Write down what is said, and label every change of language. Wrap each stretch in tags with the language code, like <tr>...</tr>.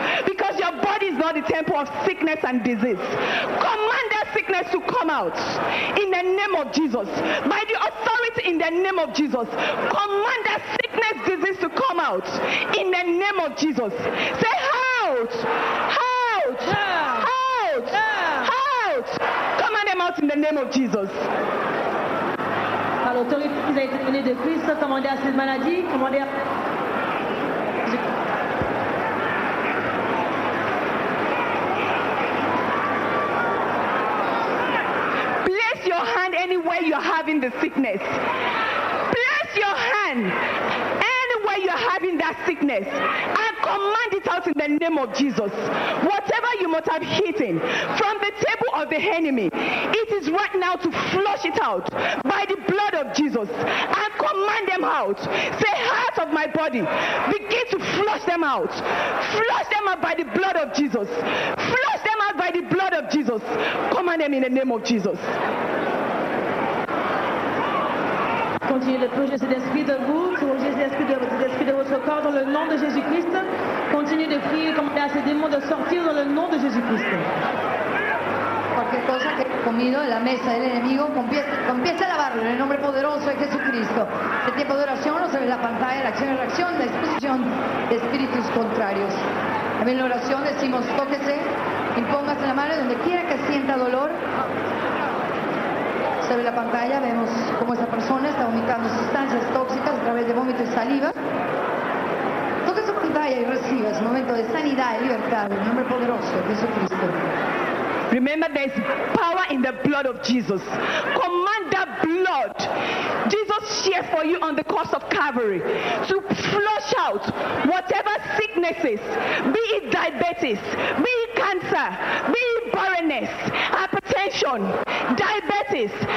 <en>Because your body is not the temple of sickness and disease. Command that sickness to come out in the name of Jesus. By the authority in the name of Jesus. Command that sickness, disease to come out in the name of Jesus. Say out, out, out, out. Command them out in the name of Jesus.</en> <fr>Par l'autorité qui a été donnée de Christ, commandez à cette maladie, commandez à...</fr> <en>Place your hand anywhere you're having the sickness. Place your hand anywhere you're having that sickness, I command it out in the name of Jesus. Whatever you must have hidden from the table of the enemy, it is right now to flush it out by the blood of Jesus. I command them out. Say, heart of my body, begin to flush them out. Flush them out by the blood of Jesus. Flush them out by the blood of Jesus. Command them in the name of Jesus.</en> <fr>Continuez de purger cet esprit de vous, purger cet esprit de votre corps dans le nom de Jésus-Christ. Continuez de prier et commander à ces démons de sortir dans le nom de Jésus-Christ.</fr> <es>Cualquier cosa que haya comido en la mesa del enemigo, comience a lavarlo en el nombre poderoso de Jesucristo. El tiempo de oración, no se ve la pantalla, la acción y reacción, la exposición de espíritus contrarios. También en la oración decimos, tóquese, impóngase la mano donde quiera que sienta dolor. Se ve la pantalla, vemos cómo esa persona está vomitando sustancias tóxicas a través de vómito y saliva. Toque su pantalla y reciba su momento de sanidad y libertad en el nombre poderoso de Jesucristo.</es> <en>Remember, there is power in the blood of Jesus. Command that blood Jesus shed for you on the cross of Calvary to flush out whatever sicknesses, be it diabetes, be it cancer, be it barrenness, hypertension, diabetes.</en>